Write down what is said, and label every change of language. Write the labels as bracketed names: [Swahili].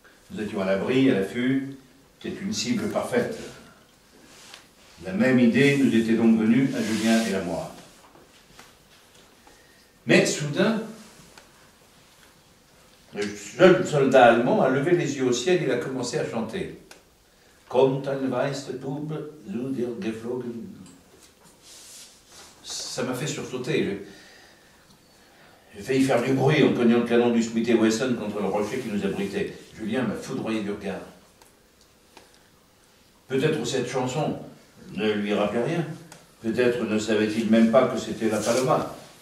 [French] Nous étions à l'abri, à l'affût, c'était une cible parfaite. La même idée nous était donc venue à Julien et à moi. Mais soudain, le jeune soldat allemand a levé les yeux au ciel et il a commencé à chanter. [German] Kommt ein weißer Bube zu dir geflogen. [French] Ça m'a fait sursauter. J'ai failli faire du bruit en cognant le canon du Smith & Wesson contre le rocher qui nous abritait. Julien m'a foudroyé du regard. Peut-être cette chanson ne lui rappelait rien. Peut-être ne savait-il même pas que c'était la Paloma.